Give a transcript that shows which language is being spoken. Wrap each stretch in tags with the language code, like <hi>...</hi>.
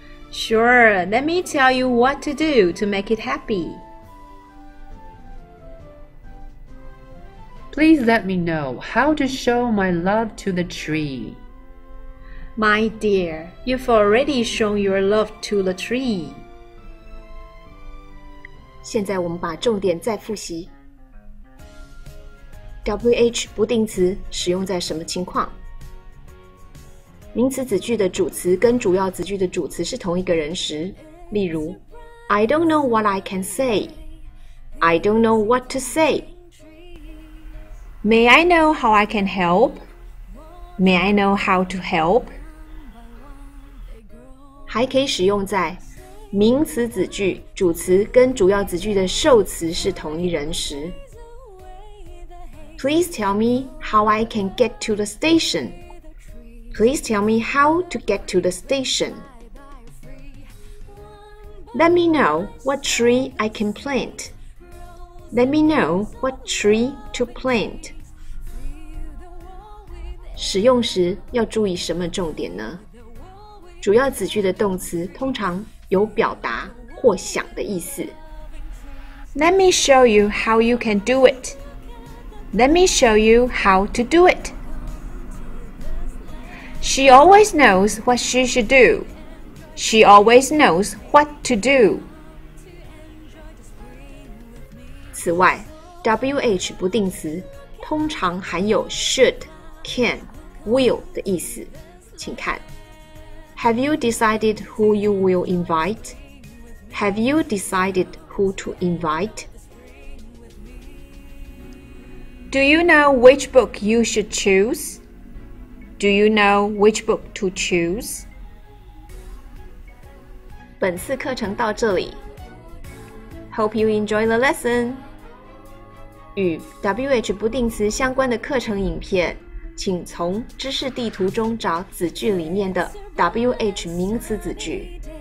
<en>Sure, let me tell you what to do to make it happy. Please let me know how to show my love to the tree. My dear, you've already shown your love to the tree.</en> <zh>现在我们把重点再复习。 WH 不定词使用在什么情况？名词子句的主词跟主要子句的主词是同一个人时，例如</zh> <en>I don't know what I can say. I don't know what to say. May I know how I can help? May I know how to help?</en> <zh>还可以使用在名词子句主词跟主要子句的受词是同一人时。</zh> <en>Please tell me how I can get to the station. Please tell me how to get to the station. Let me know what tree I can plant. Let me know what tree to plant.</en> <zh>使用时要注意什么重点呢？主要子句的动词通常有表达或想的意思。</zh> <en>Let me show you how you can do it. Let me show you how to do it. She always knows what she should do. She always knows what to do.</en> <zh>此外 ,WH 不定词通常含有</zh> <en>should, can, will</en> <zh>的意思。请看。</zh> <en>Have you decided who you will invite? Have you decided who to invite? Do you know which book you should choose? Do you know which book to choose?</en> <zh>本次课程到这里。</zh> <en>Hope you enjoy the lesson.</en> <zh>与 WH 不定词相关的课程影片请从知识地图中找子句里面的 WH 名词子句。</zh>